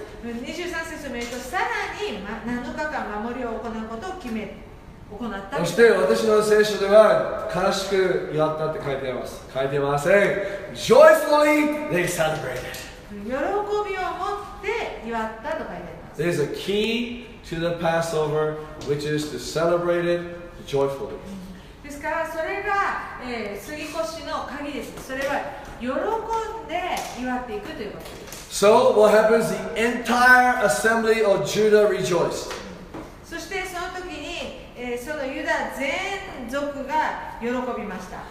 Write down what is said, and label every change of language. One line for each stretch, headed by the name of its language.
Japanese: 23節を見ると、さらに7日間守りを行うことを決め、行った。そして私の聖書では、悲しく祝ったって書いてあります。書いてません。
English: Joyfully they celebrate.
Japanese: 喜びを持って祝ったと書いてあります。
English: There's a key to the Passover, which is to celebrate it joyfully.
Japanese: ですからそれが、過ぎ越しの鍵です。それは喜んで祝っていくということです。
English: So what happens? The entire assembly of Judah rejoiced.
Japanese: そしてその時に、そのユダ全族が喜びました。